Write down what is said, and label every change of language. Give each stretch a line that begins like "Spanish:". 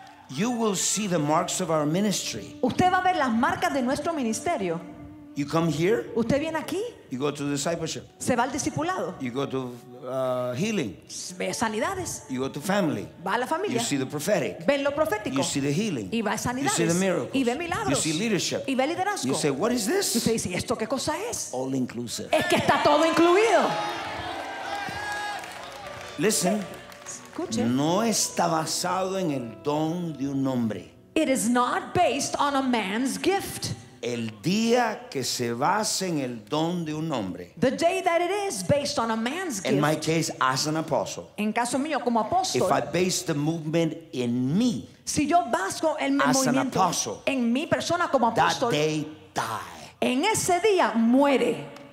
English: You will see the marks of our ministry.
Spanish: Usted va a ver las marcas de nuestro ministerio.
English: You come here.
Spanish: Usted viene aquí.
English: You go to discipleship.
Spanish: Se va al discipulado.
English: You go to healing.
Spanish: Ve sanidades.
English: You go to family.
Spanish: Va a la familia.
English: You see the prophetic.
Spanish: Ven lo profético.
English: You see the healing.
Spanish: Y va a sanidades.
English: You see the miracles.
Spanish: Y ve milagros.
English: You see leadership.
Spanish: Y ve liderazgo.
English: You say, what is this?
Spanish: Y usted dice, ¿y esto qué cosa es?
English: All inclusive.
Spanish: Es que está todo incluido.
English: Listen.
Spanish: Escuche. No está basado en el don de un hombre.
English: It is not based on a man's gift.
Spanish: El día que se base en el don de un hombre.
English: The day that it is based on a man's gift. In my case, as an apostle.
Spanish: En caso mío, como apóstol.
English: If I base the movement in me.
Spanish: Si yo baso el
English: as
Spanish: movimiento
English: an apostle,
Spanish: en mi persona como apóstol.
English: That day die.
Spanish: En ese día muere.